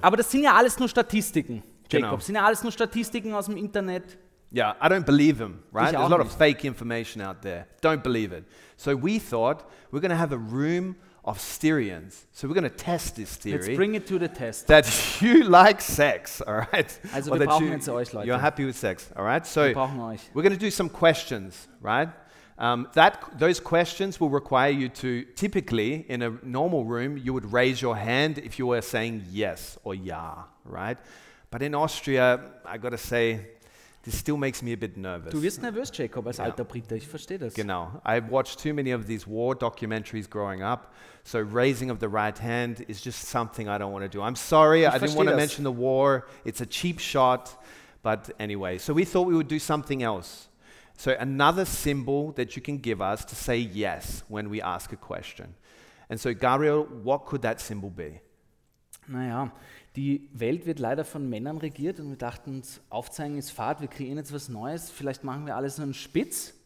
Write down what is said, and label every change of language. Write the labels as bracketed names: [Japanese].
[German] Aber das sind ja alles nur Statistiken, Jacob. Genau. Sind ja alles nur Statistiken aus dem Internet. [English] Yeah, I don't believe him, right? There's a lot of fake information out there. Don't believe it. So we thought we're going to have a room of Styrians. So we're going to test this theory. Let's bring it to the test. That you like sex, all right? [German] Also wir brauchen jetzt euch, Leute. [English] You're happy with sex, all right? So [German] wir brauchen euch. [English] We're going to do some questions, right? Those questions will require you to, typically, in a normal room, you would raise your hand if you were saying yes or ja, right? But in Austria, I got to say, this still makes me a bit nervous. [German] Du wirst nervös, Jacob, als alter Brite, ich verstehe das. Genau. [English] I watched too many of these war documentaries growing up, so raising of the right hand is just something I don't want to do. I'm sorry, I didn't want to mention the war. It's a cheap shot, but anyway. So we thought we would do something else. So another symbol that you can give us to say yes when we ask a question. And so Gabriel, what could that symbol be? [German] Naja, die Welt wird leider von Männern regiert und wir dachten, aufzeigen ist Fahrt, wir kreieren jetzt was Neues, vielleicht machen wir alles so einen Spitz.